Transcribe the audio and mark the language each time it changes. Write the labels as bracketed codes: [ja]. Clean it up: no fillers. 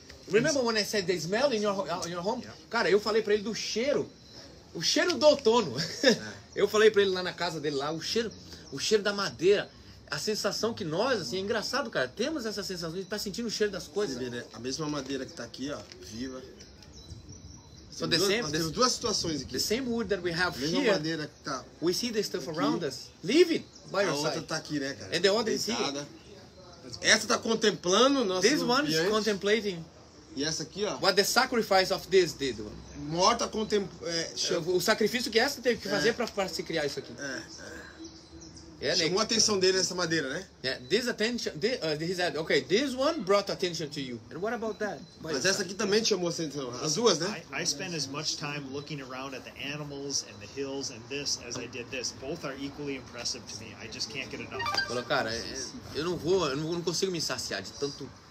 [en] Remember when I said the smell in your home? [pt] Yeah. Cara, eu falei para ele do cheiro. O cheiro do outono. Eu falei para ele lá na casa dele, lá, o cheiro da madeira. A sensação que nós, assim, é engraçado, cara. Temos essa sensação, a gente tá sentindo o cheiro das coisas. Vê, né? A mesma madeira que tá aqui, ó, viva. [en] So the same. [pt] Temos duas situações aqui. [en] The same wood that we have [pt] mesma [en] here. [pt] Madeira que tá. [en] We see the stuff aqui. Around us. Leave it by your side. [pt] A outra tá aqui, né, cara? [en] And the other is here. [pt] Essa tá contemplando nosso. [en] This one is contemplating. [pt] E essa aqui, ó. [en] What the sacrifice of this did? [pt] Morta o sacrifício que essa teve que fazer para se criar isso aqui. Chamou a atenção dele nessa madeira, né? [en] Yeah, this attention, he said, okay, this one brought attention to you. And what about that? [pt] Mas essa aqui também te chamou a atenção. As duas, né? [en] I spend as much time looking around at the animals and the hills and this as I did this. Both are equally impressive to me. I just can't get enough. [pt] Falou, cara, eu não consigo me saciar de tanto.